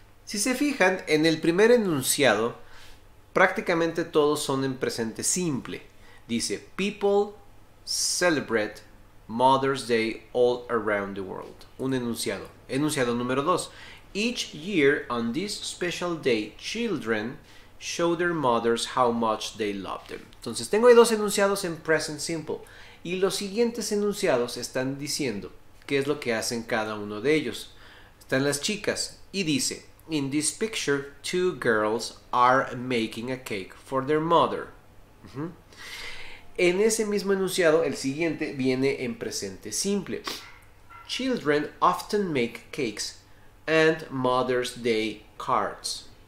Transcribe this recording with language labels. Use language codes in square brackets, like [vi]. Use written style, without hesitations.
[es] Si se fijan, en el primer enunciado, prácticamente todos son en presente simple. Dice, [en] people celebrate Mother's Day all around the world. [es] Un enunciado. Enunciado número 2. [en] Each year on this special day, children show their mothers how much they love them. [es] Entonces, tengo ahí dos enunciados en present simple. Y los siguientes enunciados están diciendo qué es lo que hacen cada uno de ellos. Están las chicas. Y dice, [en] in this picture, two girls are making a cake for their mother. [es] En ese mismo enunciado, el siguiente viene en presente simple. [en] Children often make cakes and Mother's Day cards.